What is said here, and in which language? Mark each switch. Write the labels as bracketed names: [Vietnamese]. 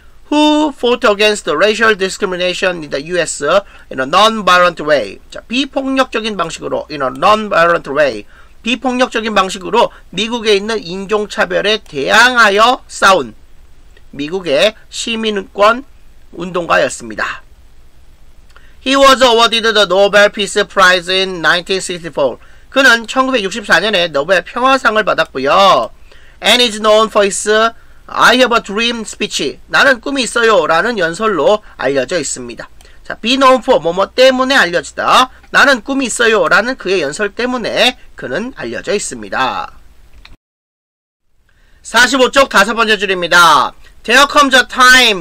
[English] Who fought against racial discrimination in the U.S. in a non-violent way. 자, [Korean] 비폭력적인 방식으로, [English] in a non-violent way. [Korean] 비폭력적인 방식으로 미국에 있는 인종차별에 대항하여 싸운 미국의 시민권 운동가였습니다. [English] He was awarded the Nobel Peace Prize in 1964. [Korean] 그는 1964년에 노벨 평화상을 받았고요. [English] And is known for his I have a dream speech. [Korean] 나는 꿈이 있어요. 라는 연설로 알려져 있습니다. 자, [English] be known for, [Korean] 뭐뭐 때문에 알려지다. 나는 꿈이 있어요. 라는 그의 연설 때문에 그는 알려져 있습니다. 45쪽 다섯 번째 줄입니다. [English] There comes a time.